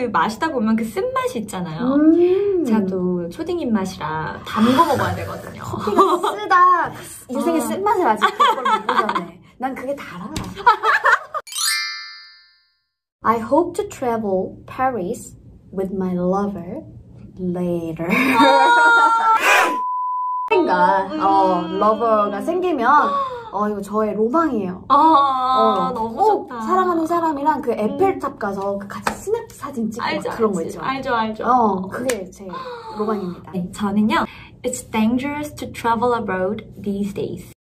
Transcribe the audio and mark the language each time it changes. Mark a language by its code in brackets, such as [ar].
[ko] 그 마시다 보면 그 쓴맛이 있잖아요. 저도 초딩 입맛이라 담궈 먹어야 되거든요. 커피가 쓰다. 인생의 쓴맛을 아직 그걸 모르잖아요. 난 그게 달아. [en] I hope to travel Paris with my lover later. [ko] 뭔가 러버가 생기면 이거 저의 로망이에요. 너무 좋다. 사랑하는 사람이랑 그 에펠탑 가서 같이 스냅 사진 찍고 알죠, 그런 거 있죠. 알죠. 그게 제 로망입니다. 네, 저는요. [en] It's dangerous to travel abroad these days.